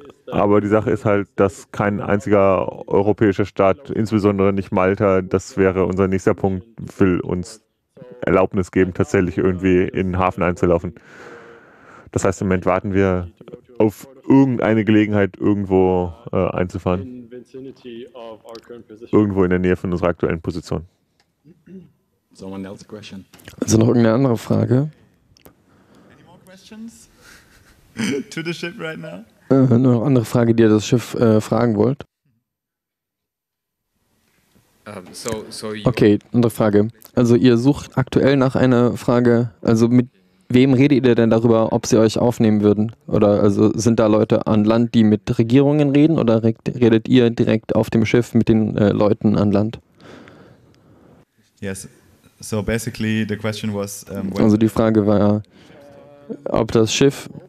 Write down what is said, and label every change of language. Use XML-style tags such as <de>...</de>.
<de>Aber die Sache ist halt, dass kein einziger europäischer Staat, insbesondere nicht Malta, das wäre unser nächster Punkt, will uns Erlaubnis geben, tatsächlich irgendwie in den Hafen einzulaufen. Das heißt, im Moment warten wir auf irgendeine Gelegenheit, irgendwo einzufahren. Irgendwo in der Nähe von unserer aktuellen Position. Also noch irgendeine andere Frage?</de> <en>Any more questions to the ship right now?</en> <de>Nur noch andere Frage, die ihr das Schiff fragen wollt. Okay, andere Frage. Also ihr sucht aktuell nach einer Frage, also mit wem redet ihr denn darüber, ob sie euch aufnehmen würden? Oder also sind da Leute an Land, die mit Regierungen reden, oder redet ihr direkt auf dem Schiff mit den Leuten an Land?</de> <en>Yes. So basically the question was,</en> <de>also die Frage war, ob das Schiff...</de>